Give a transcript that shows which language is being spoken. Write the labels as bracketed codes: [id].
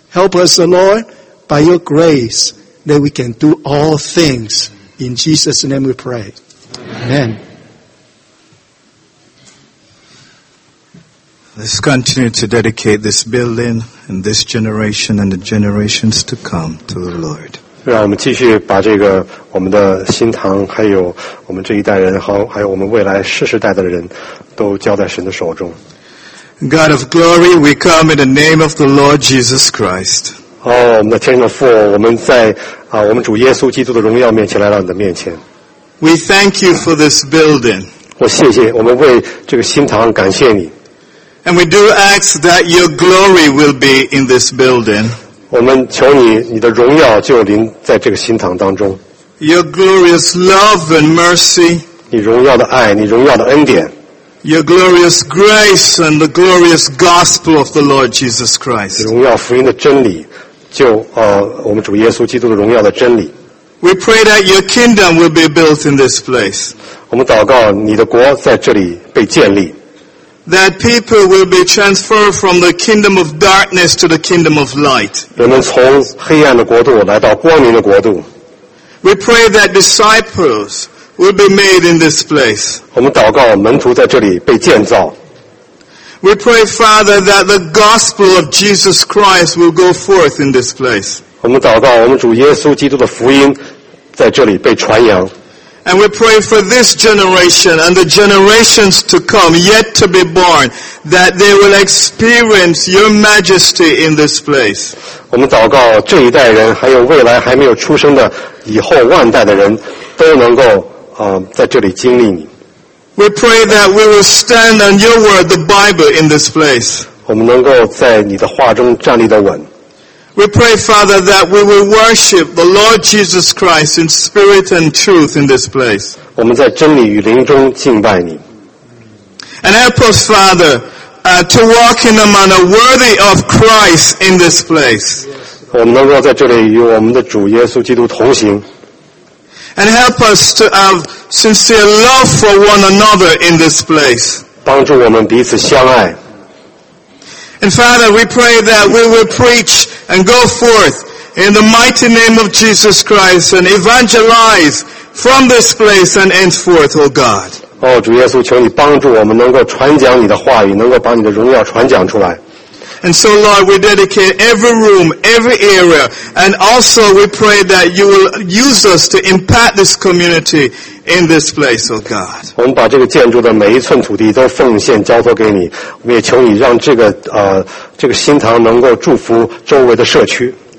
[en] Help us, Lord, by your grace, that we can do all things In Jesus' name we pray. Amen. Let's continue to dedicate this building and this generation and the generations to come to the Lord. [zh] 让我们继续把这个我们的新堂还有我们这一代人还有我们未来世世代的人都交在神的手中。 [en] God of glory, we come in the name of the Lord Jesus Christ. [zh] 哦，我们的天上的父，我们在啊，我们主耶稣基督的荣耀面前来到你的面前。 [en] We thank you for this building. [zh] 我谢谢我们为这个新堂感谢你。 [en] And we do ask that your glory will be in this building. [zh] 我们求你，你的荣耀就临在这个新堂当中。 [en] Your glorious love and mercy. [zh] 你荣耀的爱，你荣耀的恩典。 [en] Your glorious grace and the glorious gospel of the Lord Jesus Christ. [zh] 荣耀福音的真理，就我们主耶稣基督的荣耀的真理。 [en] We pray that your kingdom will be built in this place. [zh] 我们祷告你的国在这里被建立。 [en] That people will be transferred from the kingdom of darkness to the kingdom of light. [zh] 人们从黑暗的国度来到光明的国度。 [en] We pray that disciples will be made in this place. [zh] 我们祷告门徒在这里被建造。 [en] We pray, Father, that the gospel of Jesus Christ will go forth in this place. [zh] 我们祷告我们主耶稣基督的福音在这里被传扬。 [en] And we pray for this generation and the generations to come yet to be born that they will experience your majesty in this place. [zh] 我们祷告这一代人还有未来还没有出生的以后万代的人都能够在这里经历你。 [en] We pray that we will stand on your word, the Bible, in this place. [zh] 我们能够在你的话中站立得稳。 [en] We pray, Father, that we will worship the Lord Jesus Christ in spirit and truth in this place. [zh] 我们在真理与灵中敬拜你。 [en] And help us, Father, to walk in a manner worthy of Christ in this place. [zh] 我们能够在这里与我们的主耶稣基督同行。 [en] And help us to have sincere love for one another in this place. [zh] 帮助我们彼此相爱。 [en] And Father, we pray that we will preach and go forth in the mighty name of Jesus Christ and evangelize from this place and henceforth, O God. [zh] 哦，主耶稣，求你帮助我们能够传讲你的话语，能够把你的荣耀传讲出来。 [en] And so, Lord, we dedicate every room, every area, and also we pray that you will use us to impact this community in this place, O God. [zh] 我们把这个建筑的每一寸土地都奉献交托给你，我们也求你让这个新堂能够祝福周围的社区。